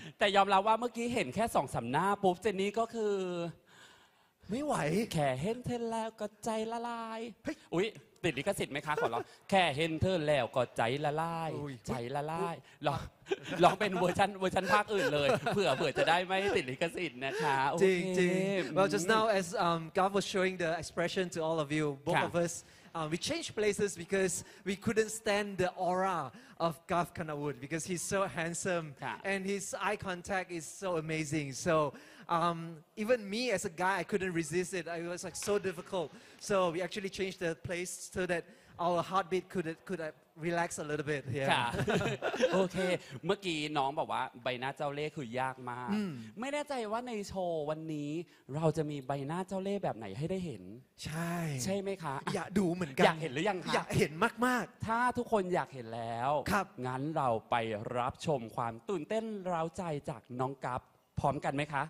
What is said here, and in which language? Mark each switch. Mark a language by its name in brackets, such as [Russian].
[Thai] แต่ยอมรับว่าเมื่อกี้เห็นแค่ 2-3 หน้าปุ๊บเจนนี่ก็คือ ไม่ไหว แค่เห็นเธอแล้วก็ใจละลายอุ๊ยติดลิขสิทธิ์ไหมคะขอร้องแค่เห็นเธอแล้วก็ใจละลายใจละลายลองเป็นเวอร์ชันภาคอื่นเลยเผื่อจะได้ไม่ติดลิขสิทธิ์นะคะ จริงจริง [English] Well just now as Garth was showing the expression to all of you both of us we changed places because we couldn't stand the aura of Garth Kanawood because he's so handsome and his eye contact is so amazing soeven me as a guy, I couldn't resist it. It was like so difficult. So we actually changed the place so that our heartbeat could relax a little bit. Yeah. Okay. [Thai] เมื่อกี้น้องบอกว่าใบหน้าเจ้าเล่ห์คือยากมากไม่แน่ใจว่าในโชว์วันนี้เราจะมีใบหน้าเจ้าเล่ห์แบบไหนให้ได้เห็น ใช่ ไหมคะ อยากดูเหมือนกัน อ ยากเห็นหรือยังคะ อยากเห็นมาก ๆถ้าทุกคนอยากเห็นแล้ว ครับ งั้นเราไปรับชมความตื่นเต้นร้าวใจจากน้องกัปพร้อมกันไหมคะ